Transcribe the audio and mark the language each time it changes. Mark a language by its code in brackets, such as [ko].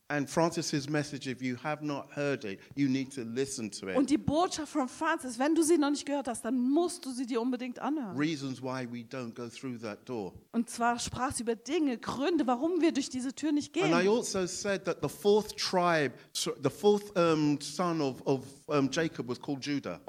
[en] And Francis's message, if you have not heard it, you need to listen to it. [de] Und die Botschaft von Francis, wenn du sie noch nicht gehört hast, dann musst du sie dir unbedingt anhören. [en] Reasons why we don't go through that door. [de] Und zwar sprach sie über Dinge, Gründe, warum wir durch diese Tür nicht gehen. [en] And I also said that the fourth tribe, the fourth son of Jacob was called Judah.